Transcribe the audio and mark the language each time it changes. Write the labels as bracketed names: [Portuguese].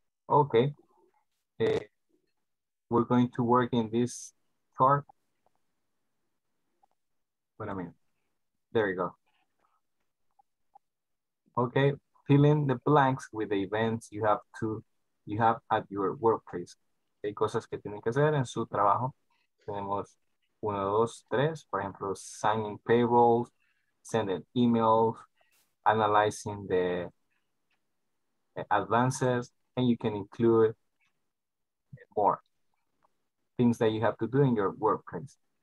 [English] Okay, we're going to work in this chart. Wait a minute, there you go. Okay, fill in the blanks with the events you have at your workplace. [Spanish] Hay cosas que tienen que hacer en su trabajo. Tenemos uno, dos, tres. Por ejemplo, [English] signing payrolls, sending emails, analyzing the advances, and you can include more things that you have to do in your workplace.